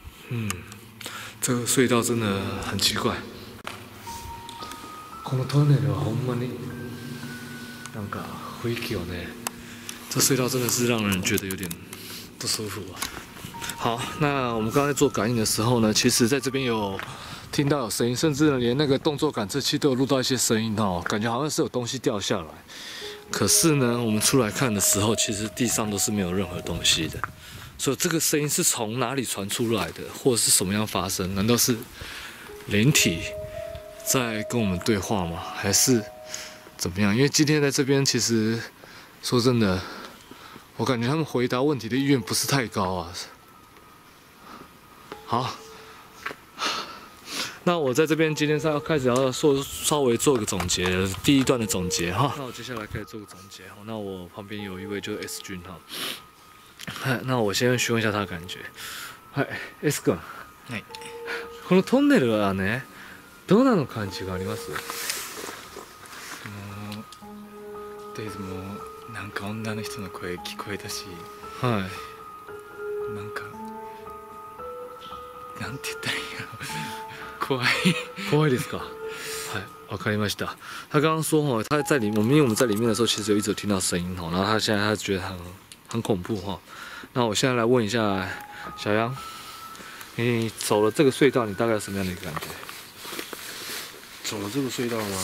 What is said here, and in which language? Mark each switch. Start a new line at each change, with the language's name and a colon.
Chinese: 嗯，这个隧道真的很奇怪。
Japanese: このトンネルはほんまに、なんか雰囲気をね、
Chinese: 这隧道真的是让人觉得有点不舒服啊。好，那我们刚才做感应的时候呢，其实在这边有。听到有声音，甚至连那个动作感测器都有录到一些声音哦，感觉好像是有东西掉下来。可是呢，我们出来看的时候，其实地上都是没有任何东西的。所以这个声音是从哪里传出来的，或者是什么样发生？难道是灵体在跟我们对话吗？还是怎么样？因为今天在这边，其实说真的，我感觉他们回答问题的意愿不是太高啊。好。那我在这边今天要开始要说稍微做个总结，第一段的总结哈。那我接下来开始做个总结。那我旁边有一位就是 S 君哈。那我先询问一下他的感觉。嗨 ，S 君。
Japanese: はい。このトンネルはね、どんなの感じがあります？とりあえずもうなんか女の人の声聞こえたし、はい、なんかなんて言ったらいいの怖い怖いですか。はい、わかりました。
Chinese: 他刚刚说他在里面，因为我们在里面的时候其实有一直听到声音，然后他现在他觉得很恐怖。那我现在来问一下小杨，你走了这个隧道你大概有什么样的一个感觉？走了这个隧道吗？